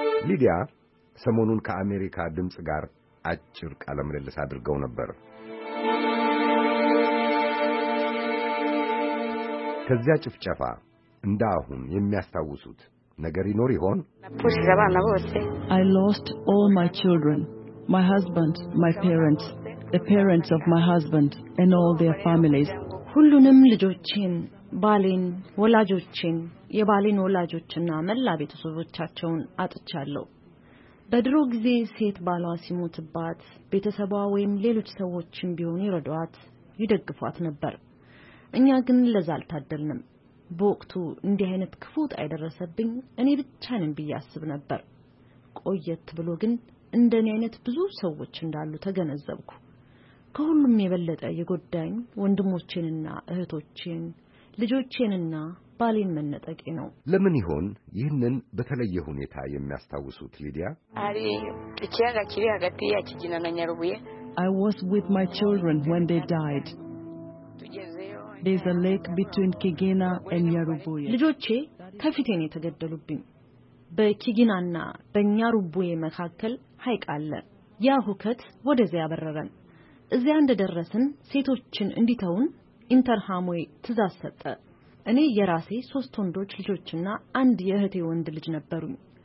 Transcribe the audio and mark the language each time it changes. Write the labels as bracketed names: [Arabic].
[Amharic] ሊዲያ ሰሞኑን ከአሜሪካ ድምፅ ጋር አጭር ቃለ ምልልስ አድርገው ነበር። ከዚያ ጭፍጨፋ እንዳሁን የሚያስታውሱት ነገር ይኖር ይሆን? [English] I lost all my children, my husband, my parents, the parents of my husband and all their families. [Amharic] ሁሉንም ልጆችን፣ ባሌን፣ ወላጆችን፣ የባሌን ወላጆችና መላ ቤተሰቦቻቸውን አጥቻለሁ። በድሮ ጊዜ ሴት ባሏ ሲሞትባት ቤተሰቧ ወይም ሌሎች ሰዎችም ቢሆን ይረዷት ይደግፏት ነበር። እኛ ግን ለዛ አልታደልንም። በወቅቱ እንዲህ አይነት ክፉት አይደረሰብኝ እኔ ብቻንም ብያስብ ነበር። ቆየት ብሎ ግን እንደ እኔ አይነት ብዙ ሰዎች እንዳሉ ተገነዘብኩ። ከሁሉም የበለጠ የጎዳኝ ወንድሞቼንና እህቶቼን፣ ልጆቼንና ባሌን መነጠቄ ነው። ለምን ይሆን ይህንን በተለየ ሁኔታ የሚያስታውሱት ሊዲያ? [English] I was with my children when they died. There's a lake between Kigina and Nyarubuye. [Amharic] ልጆቼ ከፊቴ ነው የተገደሉብኝ። በኪጊናና በኛሩቡዬ መካከል ሐይቅ አለ። ያ ሁከት ወደዚያ ያበረረን። እዚያ እንደደረስን ሴቶችን እንዲተውን ኢንተርሃሞይ ትዛዝ ሰጠ። እኔ የራሴ 3 ወንዶች ልጆችና አንድ የእህቴ ወንድ ልጅ ነበሩኝ።